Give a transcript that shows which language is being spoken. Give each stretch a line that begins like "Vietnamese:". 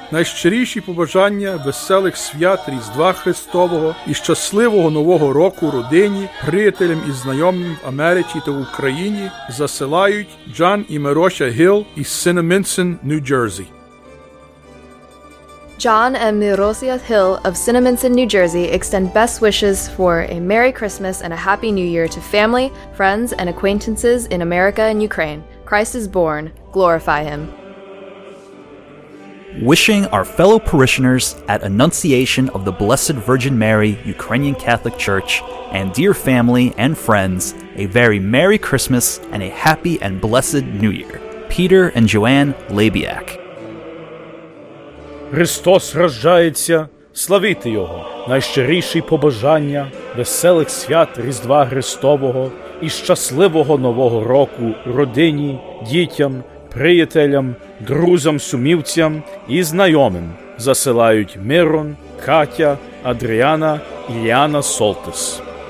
Ukrainian: Найщиріші побажання веселих свят Різдва Христового і щасливого Нового року родині, приятелям і знайомим в Америці та в Україні засилають Джан і Мироша Гіл із Синемінсен, Нью-Джерсі.
English: John and Mirosia Hill of Cinnaminson, New Jersey extend best wishes for a Merry Christmas and a Happy New Year to family, friends, and acquaintances in America and Ukraine. Christ is born. Glorify Him. Wishing our fellow parishioners at Annunciation of the Blessed Virgin Mary Ukrainian Catholic Church and dear family and friends a very Merry Christmas and a Happy and Blessed New Year. Peter and Joanne Labiak.
Ukrainian: Христос рождається, славіте Його! Найщиріші побажання, веселих свят Різдва Христового і щасливого Нового року родині, дітям, приятелям, друзям-сумівцям і знайомим засилають Мирон, Катя, Адріана, Іліана Солтис.